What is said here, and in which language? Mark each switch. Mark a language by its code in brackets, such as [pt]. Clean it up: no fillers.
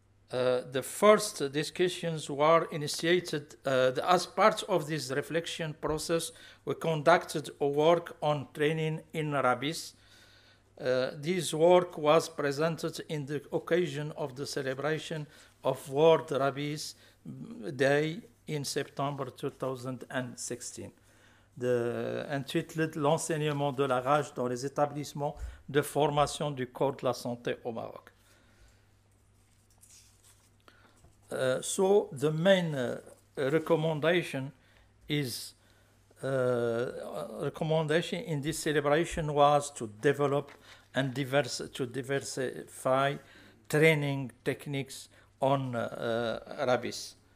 [en] The first discussions were initiated as part of this reflection process. We conducted a work on training in rabies. This work was presented in the occasion of the celebration of World Rabies Day in September 2016. [fr] intitulée l'enseignement de la rage dans les établissements de formation du corps de la santé au Maroc. [en] So the main recommendation is recommendation in this celebration was to develop and diversify training techniques on rabies.